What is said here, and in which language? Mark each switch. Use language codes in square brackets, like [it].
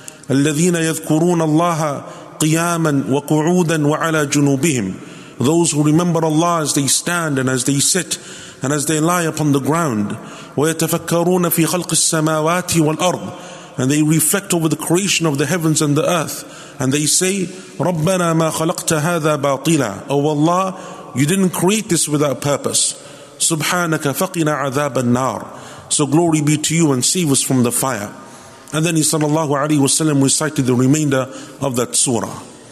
[ar] الذين يذكرون الله قياما وقعودا وعلى جنوبهم. [en] Those who remember Allah as they stand and as they sit and as they lie upon the ground. [ar] ويتفكرون في خلق السماوات والأرض. [en] And they reflect over the creation of the heavens and the earth. And they say, [ar] رَبَّنَا مَا خَلَقْتَ هَذَا بَاطِلًا. [en] O Allah, you didn't create this without purpose. [ar] سُبْحَانَكَ فَقِنَا عَذَابَ النَّارِ. [en] So glory be to you and save us from the fire. And then he sallallahu alayhi wa sallam recited the remainder of that surah.